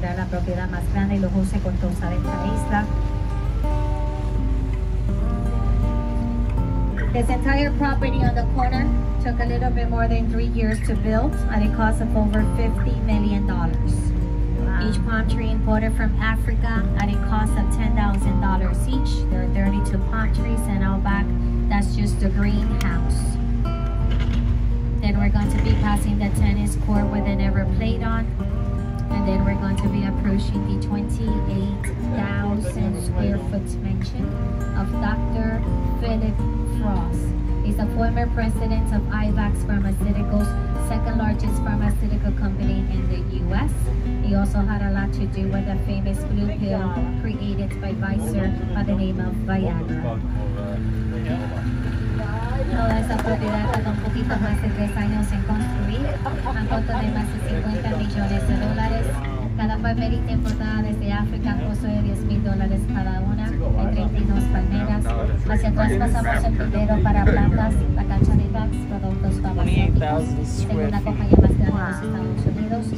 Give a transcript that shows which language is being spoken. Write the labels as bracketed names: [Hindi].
[Spanish] Propiedad más grande y lujosa y costosa de esta isla. [English] This entire property on the corner took a little bit more than 3 years to build at a cost of over $50 million. Wow. Each palm tree imported from Africa at a cost of $10,000 each. There are 32 palm trees and out back. That's just the greenhouse. Then we're going to be passing the tennis court where they never played on. And then we're going to be approaching the 28,000 square foot mansion of Dr. Philip Frost. He's a former president of Ivax Pharmaceuticals, second largest pharmaceutical company in the U.S. He also had a lot to do with the famous blue pill created by Pfizer by the name of Viagra. [Spanish] Toda esa propiedad tardó un poquito más de 3 años en construir, a costo de más de $50 million. Cada palmerita importada desde África costó de $10,000 cada una, en 32 palmeras. Hacia atrás pasamos el primero para plantas, la cancha de Vax, productos farmacéuticos, segunda compañía más grande de los Estados Unidos.